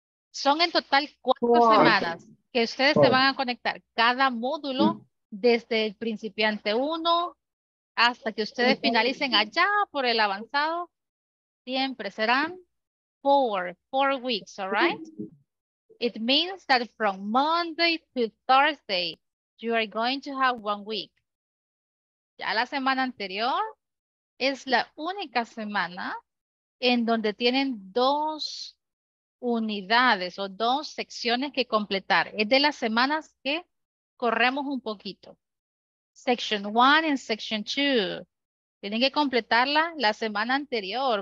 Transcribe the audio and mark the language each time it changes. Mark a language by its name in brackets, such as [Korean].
[Spanish] Son en total cuatro semanas que ustedes se van a conectar. Cada módulo, desde el principiante 1 hasta que ustedes finalicen allá por el avanzado, siempre serán [English] four weeks, all right? It means that from Monday to Thursday, you are going to have 1 week. [Spanish] Ya la semana anterior es la única semana en donde tienen dos unidades o dos secciones que completar. Es de las semanas que corremos un poquito. [English] Section 1 and Section 2. [Spanish] Tienen que completarla la semana anterior.